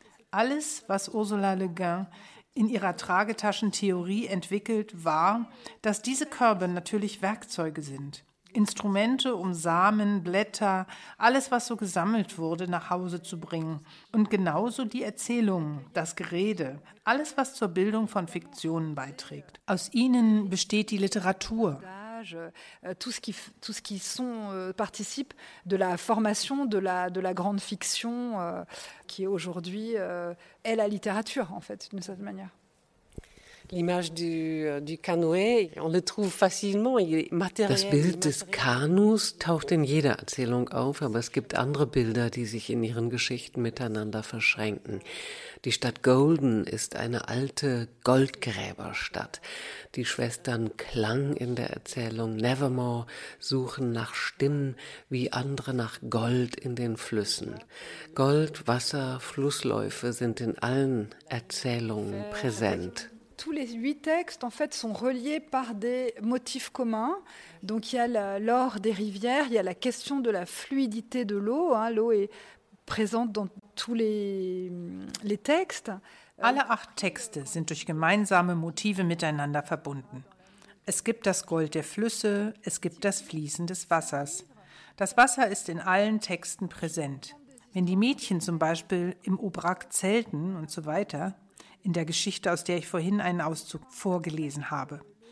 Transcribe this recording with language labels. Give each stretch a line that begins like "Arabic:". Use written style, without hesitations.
German: Alles, was Ursula Le Guin in ihrer Tragetaschentheorie entwickelt, war, dass diese Körbe natürlich Werkzeuge sind. Instrumente, um Samen, Blätter, alles, was so gesammelt wurde, nach Hause zu bringen. Und genauso die Erzählungen, das Gerede, alles, was zur Bildung von Fiktionen beiträgt. Aus ihnen besteht die Literatur.
French: Tout ce qui sont participe de la formation de la grande fiction qui aujourd'hui est la littérature en fait d'une certaine manière. L'image du canoë, on le trouve facilement, il est matériel.
German: Das Bild des Kanus taucht in jeder Erzählung auf, aber es gibt andere Bilder, die sich in ihren Geschichten miteinander verschränken. Die Stadt Golden ist eine alte Goldgräberstadt. Die Schwestern Klang in der Erzählung Nevermore suchen nach Stimmen wie andere nach Gold in den Flüssen. Gold, Wasser, Flussläufe sind in allen Erzählungen präsent.
French: Tous les 8 textes en fait sont reliés par des motifs communs. Donc il y a l'or des rivières, il y a la question de la fluidité de l'eau, hein, l'eau est présente dans tous les textes.
German: Alle 8 Texte sind durch gemeinsame Motive miteinander verbunden. Es gibt das Gold der Flüsse, es gibt das Fließen des Wassers. Das Wasser ist in allen Texten präsent. Wenn die Mädchen zum Beispiel im Obrak zelten und so weiter, in der Geschichte, aus der ich vorhin einen Auszug vorgelesen habe.